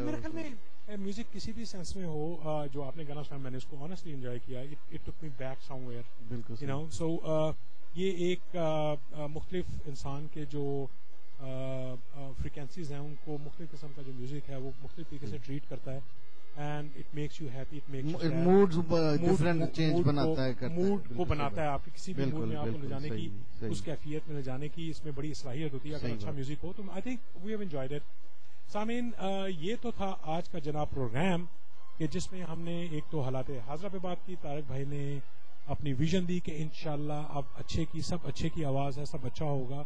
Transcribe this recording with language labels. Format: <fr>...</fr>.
<ur>میرے خیال میں میوزک کسی بھی سینس میں ہو, جو آپ نے گانا سنا میں نے اس کو آنیسٹلی انجوائے کیا.</ur> <en>It took me back somewhere.</en> <ur>بالکل. یو نو, سو یہ ایک مختلف انسان کے جو فریکوینسیز ہیں ان کو مختلف قسم کا جو میوزک ہے وہ مختلف طریقے سے ٹریٹ کرتا ہے.</ur> <en>And it makes you happy, it makes you mood different change</en> <ur>بناتا ہے, mood کو بناتا ہے آپ کے کسی بھی موڈ میں آپ کو لے جانے کی, اس کیفیت میں لے جانے کی اس میں بڑی صلاحیت ہوتی ہے اگر اچھا میوزک ہو تو.</ur> <en>I think we have enjoyed it.</en> <ur>سامعین یہ تو تھا آج کا جناب پروگرام کہ جس میں ہم نے ایک تو حالات حاضرہ پہ بات کی, طارق بھائی نے اپنی ویژن دی کہ ان شاء اللہ اب اچھے کی سب اچھے کی آواز ہے, سب اچھا ہوگا</ur>